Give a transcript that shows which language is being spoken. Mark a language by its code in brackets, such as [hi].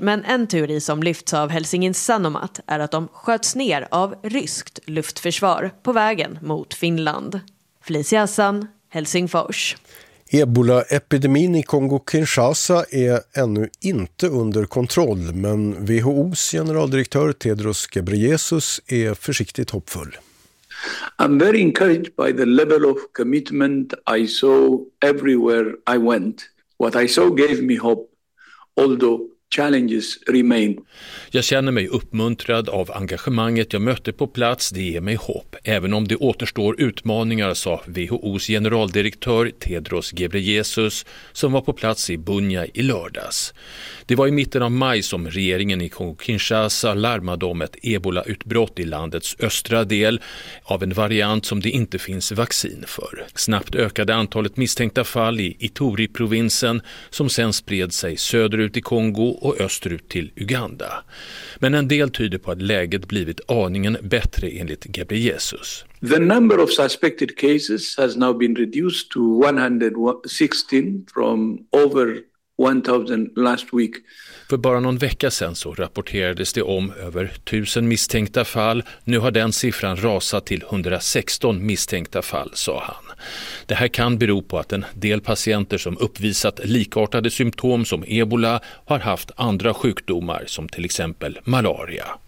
[sv] Men en teori som lyfts av Helsingin Sanomat är att de sköts ner av ryskt luftförsvar på vägen mot Finland. Felicia Hassan, Helsingfors. Ebola-epidemin i Kongo-Kinshasa är ännu inte under kontroll, men WHOs generaldirektör Tedros Ghebreyesus är försiktigt hoppfull. [en] I'm very encouraged by the level of commitment I saw everywhere I went. What I saw gave me hope, although challenges remain. [sv] Jag känner mig uppmuntrad av engagemanget jag mötte på plats. Det ger mig hopp, även om det återstår utmaningar, sa WHOs generaldirektör Tedros Ghebreyesus som var på plats i Bunia i lördags. Det var i mitten av maj som regeringen i Kongo-Kinshasa larmade om ett Ebola-utbrott i landets östra del av en variant som det inte finns vaccin för. Snabbt ökade antalet misstänkta fall i Ituri-provinsen som sen spred sig söderut i Kongo och österut till Uganda. Men en del tyder på att läget blivit aningen bättre enligt Ghebreyesus. [en] The number of suspected cases has now been reduced to 116 from over 1000 last week. [sv] För bara någon vecka sedan så rapporterades det om över 1000 misstänkta fall. Nu har den siffran rasat till 116 misstänkta fall, sa han. Det här kan bero på att en del patienter som uppvisat likartade symptom som Ebola har haft andra sjukdomar som till exempel malaria.